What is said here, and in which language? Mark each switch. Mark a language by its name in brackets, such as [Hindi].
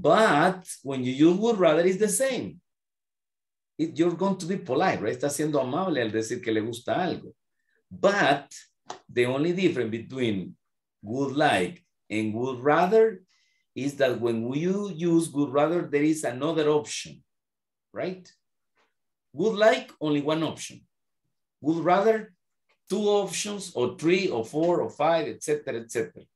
[English] But when you use would rather, it's the same. You're going to be polite, right? [Spanish] Está siendo amable al decir que le gusta algo. [English] But the only difference between would like and would rather is that when we use would rather, there is another option, right? Would like, only one option. Would rather, two options, or three, or four, or five, etc., etc.